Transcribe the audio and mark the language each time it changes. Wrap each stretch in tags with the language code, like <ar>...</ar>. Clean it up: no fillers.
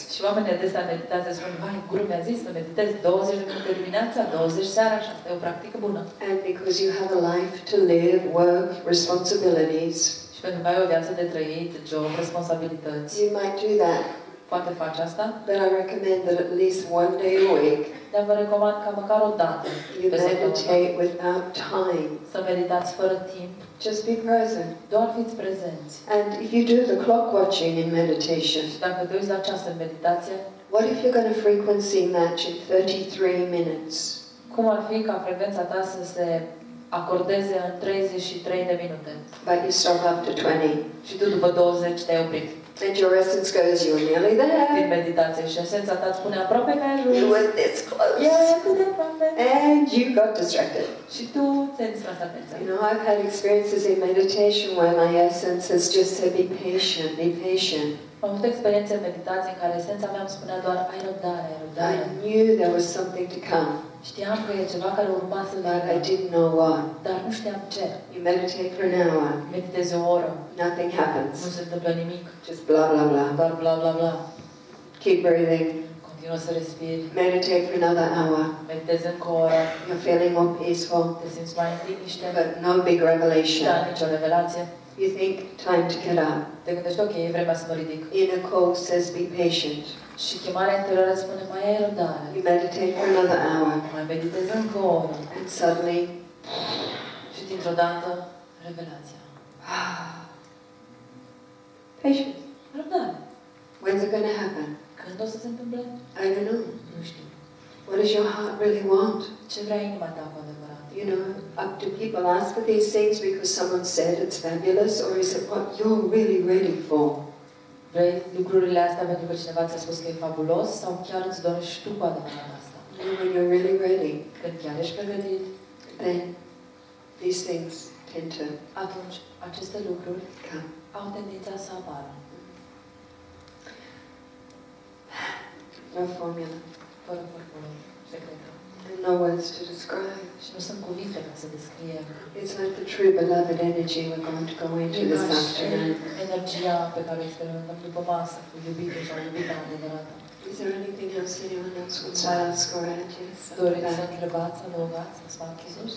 <ro>Și oamenii adesea meditează, spun, mai, guru mi-a zis să meditez 20 de minute dimineața, 20 seara, și asta e o practică bună.</ro> <en>And because you have a life to live, work, responsibilities,</en> <ro>și pentru că ai o viață de trăit, job, responsabilități,</ro> <en>you might do that.</en> <ro>Poate faci asta.</ro> <en>But I recommend that at least one day a week,</en> <ro>dar vă recomand ca măcar o dată,</ro> <en>you meditate without time.</en> <ro>Să meditați fără timp.</ro> <en>Just be present.</en> <ro>Doar fiți prezenți.</ro> <en>And if you do the clock watching in meditation,</en> <ro>și dacă te uiți la ceas în meditație,</ro> <en>what if you're going to frequency match in 33 minutes?</en> <ro>Cum ar fi ca frecvența ta să se acordeze în 33 de minute?</ro> <en>But you stop after 20.</en> <ro>Și tu după 20 te-ai oprit.</ro> <en>And your essence goes, you're nearly there.</en> <ro>Din meditație și esența ta spune, aproape că ai ajuns.</ro> <en>You were this close.</en> <ro>Yeah, cât de aproape.</ro> <en>And you got distracted.</en> <ro>Și tu ți-ai distras atenția.</ro> <en>You know, I've had experiences in meditation where my essence has just said, be patient, be patient.</en> <ro>Am avut experiențe în meditație în care esența mea îmi spunea doar, ai răbdare, ai răbdare.</ro> <en>I knew there was something to come.</en> <ro>Știam că e ceva care urma să vină.</ro> <en>But I didn't know what.</en> <ro>Dar nu știam ce.</ro> <en>You meditate for an hour.</en> <ro>Meditezi o oră.</ro> <en>Nothing happens.</en> <ro>Nu se întâmplă nimic.</ro> <en>Just blah, blah, blah.</en> <ro>Doar blah, blah, blah.</ro> <en>Keep breathing.</en> <ro>Continuă să respiri.</ro> <en>Meditate for another hour.</en> <ro>Meditezi încă o oră.</ro> <en>You're feeling more peaceful.</en> <ro>Te simți mai liniște.</ro> <en>But no big revelation.</en> <ro>Da, nicio revelație.</ro> <en>You think, time to get up.</en> <ro>Te gândești, ok, e vremea să mă ridic.</ro> <en>Inner call says, be patient.</en> <ro>Și chemarea interioară spune, mai ai răbdare.</ro> <en>You meditate for another hour.</en> <ro>Mai meditezi încă o oră.</ro> <en>And suddenly,</en> <ro>și dintr-o dată, revelația.</ro> <en>Patience.</en> <ro>Răbdare.</ro> <en>When's it going to happen?</en> <ro>Când o să se întâmple?</ro> <en>I don't know.</en> <ro>Nu știu.</ro> <en>What does your heart really want?</en> <ro>Ce vrea inima ta cu adevărat?</ro> <en>You know, do people ask for these things because someone said it's fabulous, or is it what you're really ready for?</en> <ro>Vrei lucrurile astea pentru că cineva ți-a spus că e fabulos sau chiar îți dorești tu cu adevărat asta?</ro> <en>When you're really ready,</en> <ro>când chiar ești pregătit,</ro> <en>then these things tend to,</en> <ro>atunci aceste lucruri</ro> <en>come,</en> <ro>au tendința să apară.</ro> <en>No formula.</en> <ro>Fără formulă secretă.</ro> <en>No words to describe.</en> <ro>Și nu sunt cuvinte ca să descrie.</ro> <en>It's like the true beloved energy we're going to go into this afternoon.</en> <ro>Energia pe care experimentăm după masă, cu iubită sau iubită adevărată.</ro> <en>Is there anything else anyone else wants to ask or add?</en> <ro>Doriți să întrebați sau nu vă ați spus?</ro>